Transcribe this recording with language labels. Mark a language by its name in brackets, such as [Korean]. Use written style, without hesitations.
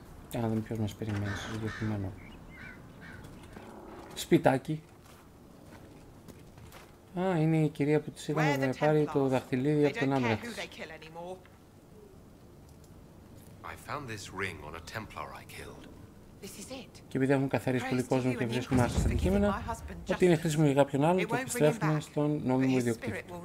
[Greek] Για να δούμε ποιος μας περιμένει στο συγκεκριμένο σπιτάκι. Α, είναι η κυρία που της είδαμε να πάρει το δαχτυλίδι από τον άντρα της. [English] I found this ring on a Templar I killed. This is it. [Greek] Και επειδή έχουν καθαρίσει πολύ κόσμο και βρίσκουμε άρθρα στα αντικείμενα, ότι είναι χρήσιμο για κάποιον άλλο, το επιστρέφουμε στον νόμιμο ιδιοκτήτη.